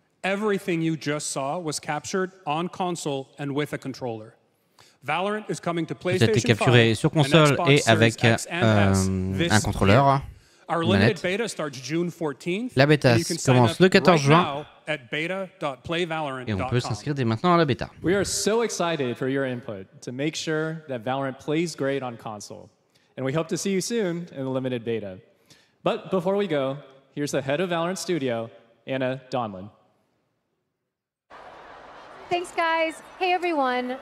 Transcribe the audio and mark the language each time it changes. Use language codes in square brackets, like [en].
[en] Everything you just saw was captured on console and with a controller. Valorant is coming to PlayStation 5. [fr] Ça a été capturé sur console et avec un contrôleur. [en] Our limited beta starts June 14th. [fr] La bêta commence le 14 juin. Et on peut s'inscrire dès maintenant à la bêta. [en] We are so excited for your input to make sure that Valorant plays great on console. And we hope to see you soon in the limited beta. But before we go, here's the head of Valorant Studio, Anna Donlan. Thanks, guys. Hey, everyone.